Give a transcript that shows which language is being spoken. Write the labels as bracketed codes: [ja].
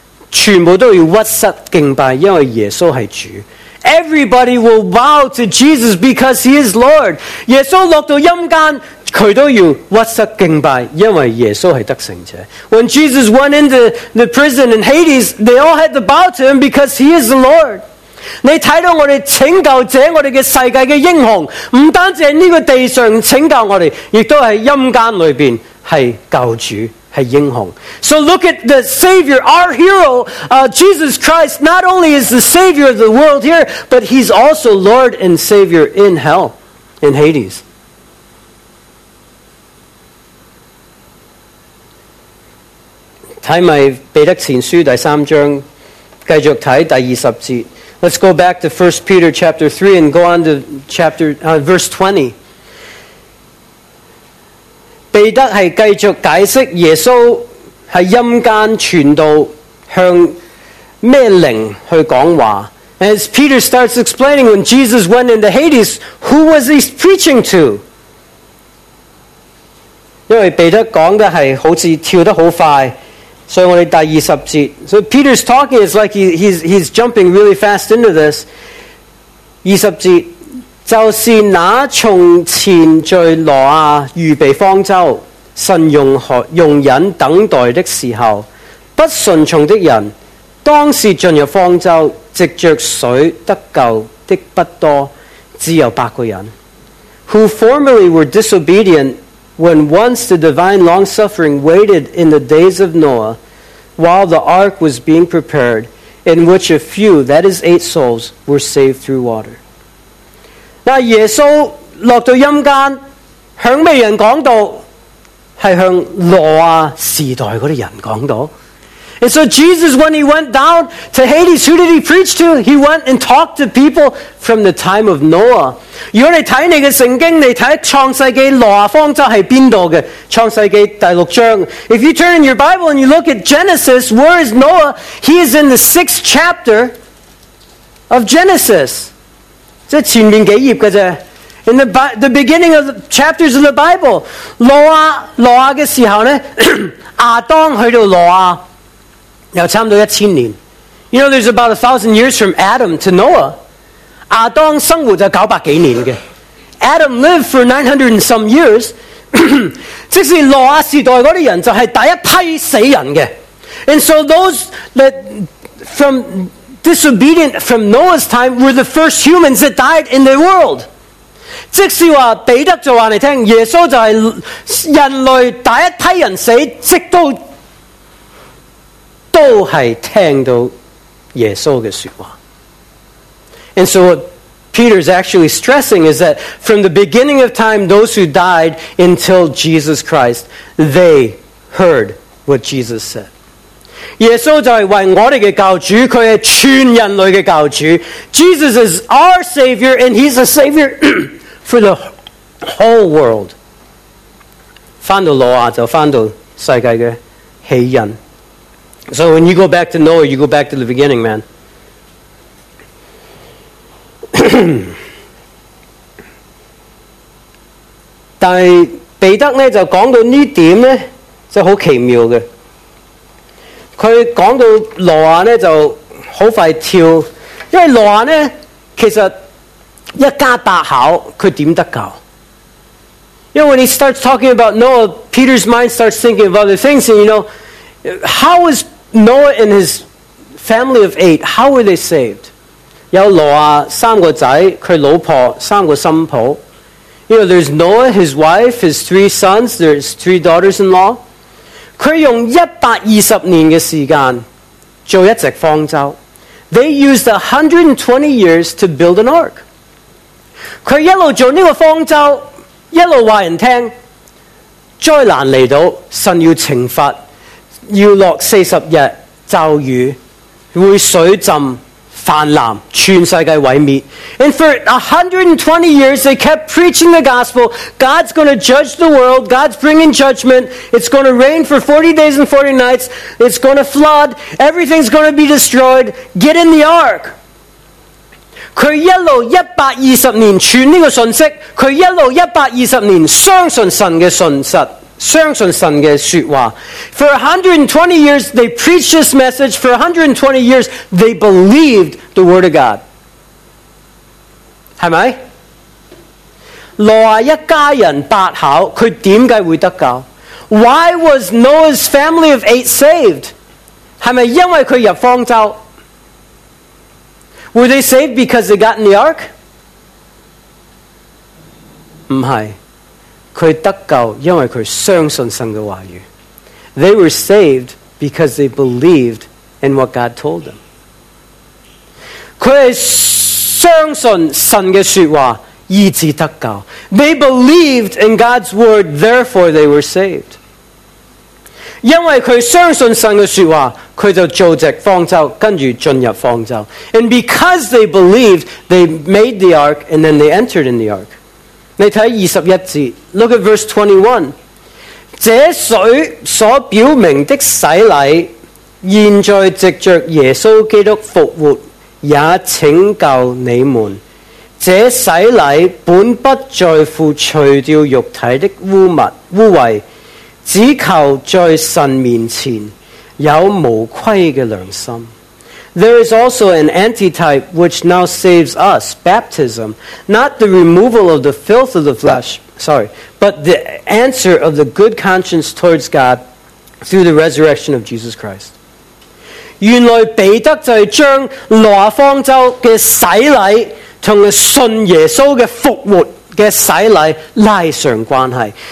[zh] 全部都要屈膝敬拜，因为耶稣是主。 [en] Everybody will bow to Jesus because he is Lord. [zh] 耶稣落到阴间，他都要屈膝敬拜，因为耶稣是得胜者。 [en] When Jesus went into the prison in Hades, they all had to bow to him because he is the Lord. [zh] 你看到我们拯救者，我们的世界的英雄，不单是在这个地上拯救我们，也都在阴间里面是救主，是英雄。 [en] So look at the Savior, our hero, Jesus Christ, not only is the Savior of the world here, but he's also Lord and Savior in hell, in Hades. [zh] 看咪彼得前书第三章，继续看第二十节。 [en] Let's go back to 1 Peter chapter 3 and go on to verse 20. [zh] 彼得是继续解释耶稣在阴间传道向咩灵去讲话。 [en] As Peter starts explaining, when Jesus went into Hades, who was he preaching to? [zh] 因为彼得讲的是好像跳得很快。所以我们第二十节， [en] So Peter's talking, it's like he's jumping really fast into this. [zh] 二十节，就是那从前在挪亚预备方舟，神容忍等待的时候，不顺从的人，当时进入方舟，藉着水得救的不多，只有八个人。 [en] Who formerly were disobedient,When once the divine long-suffering waited in the days of Noah, while the ark was being prepared, in which a few, that is eight souls, were saved through water. [zh] 那耶稣落到阴间，向咩人讲道？是向挪亚时代嗰啲人讲道。 [en] And so Jesus, when he went down to Hades, who did he preach to? He went and talked to people from the time of Noah. [zh] 如果你睇你嘅圣经，你睇创世纪挪亚方舟系边度嘅？创世纪第六章。 [en] If you turn in your Bible and you look at Genesis, where is Noah? He is in the sixth chapter of Genesis. [zh] 即系前面几页嘅啫。 [en] In the beginning of the chapters of the Bible, [zh] 挪亚嘅时候呢，亚当去到挪亚。有差不多一千年。 [en] You know, there's about 1,000 years from Adam to Noah. [zh] 亚当生活就九百几年的。 [en] Adam lived for 900 and some years. [zh] 即是挪亚时代那些人就是第一批死人的。 [en] And so those that from disobedient from Noah's time were the first humans that died in the world. [zh] 即是话彼得就话你听，耶稣就系人类第一批人死，直到都系听到耶稣嘅说话。 [en] And so what Peter is actually stressing is that from the beginning of time, those who died until Jesus Christ, they heard what Jesus said. [zh] 耶稣就是为我们的教主，他是全人类的教主。 [en] Jesus is our Savior, and he's a Savior for the whole world. [zh] 回到挪亚，就回到世界的起因。 [en] So when you go back to Noah, you go back to the beginning, man. [zh] 但是彼得呢就讲到这点呢就很奇妙的，他讲到挪亚呢就很快跳，因为挪亚呢其实一家八口他怎么得救？因为 [en] when he starts talking about Noah, Peter's mind starts thinking of other things, and you know, how was Noah and his family of eight, how were they saved? [zh] 有挪亚三个仔，佢老婆三个新抱。 [en] You know, there's Noah, his wife, his three sons, there's three daughters-in-law. [zh] 佢用120年嘅时间做一只方舟。 [en] They used 120 years to build an ark. [zh] 佢一路做呢个方舟，一路话人听，灾难嚟到，神要惩罚，要落40日咒语，会水浸。泛滥，全世界毁灭。 [en] And for 120 years, they kept preaching the gospel. God's going to judge the world. God's bringing judgment. It's going to rain for 40 days and 40 nights. It's going to flood. Everything's going to be destroyed. Get in the ark. [zh] 他一路120年传这个信息，他一路120年相信神的信实。相信神的说话。 [en] For 120 years, they preached this message. For 120 years, they believed the word of God. [zh] 是不是？挪亚一家人八口，他怎么会得救？ [en] Why was Noah's family of eight saved? [zh] 是不是因为他入方舟？ [en] Were they saved because they got in the ark? [zh] 不是。他得救，因为他相信神的话语。 [en] They were saved because they believed in what God told them. [zh] 他相信神的说话，以致得救。 [en] They believed in God's word, therefore they were saved. [zh] 因为他相信神的说话，他就做只方舟，跟住进入方舟。 [en] And because they believed, they made the ark, and then they entered in the ark. [zh] 你睇21节 [en] ，look at verse 21。 [zh] 这水所表明的洗礼，现在藉着耶稣基督复活，也拯救你们。这洗礼本不在乎除掉肉体的污物污秽，只求在神面前有无愧的良心。 There is also an antitype which now saves us, baptism, not the removal of the filth of the flesh, but the answer of the good conscience towards God through the resurrection of Jesus Christ. 原来彼得就是将挪亚方舟的洗礼同信耶稣的复活的洗礼拉上关系。